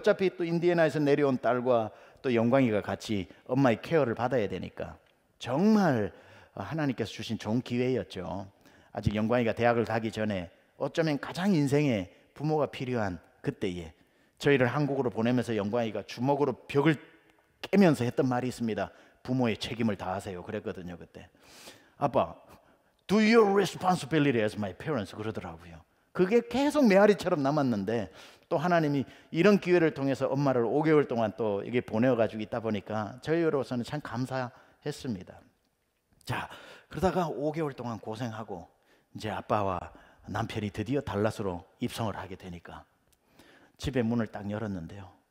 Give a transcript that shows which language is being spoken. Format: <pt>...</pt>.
<ko>어차피 또 인디애나에서 내려온 딸과 또 영광이가 같이 엄마의 케어를 받아야 되니까 정말 하나님께서 주신 좋은 기회였죠. 아직 영광이가 대학을 가기 전에 어쩌면 가장 인생에 부모가 필요한 그때에 저희를 한국으로 보내면서 영광이가 주먹으로 벽을 깨면서 했던 말이 있습니다. 부모의 책임을 다하세요. 그랬거든요. 그때 아빠</ko> <en>Do your responsibility as my parents</en> <ko>그러더라고요. 그게 계속 메아리처럼 남았는데 또 하나님이 이런 기회를 통해서 엄마를 5개월 동안 또 이게 보내어가지고 있다 보니까 저희로서는 참 감사했습니다. 자 그러다가 5개월 동안 고생하고 이제 아빠와 남편이 드디어 달라스로 입성을 하게 되니까 집에 문을 딱 열었는데요.</ko>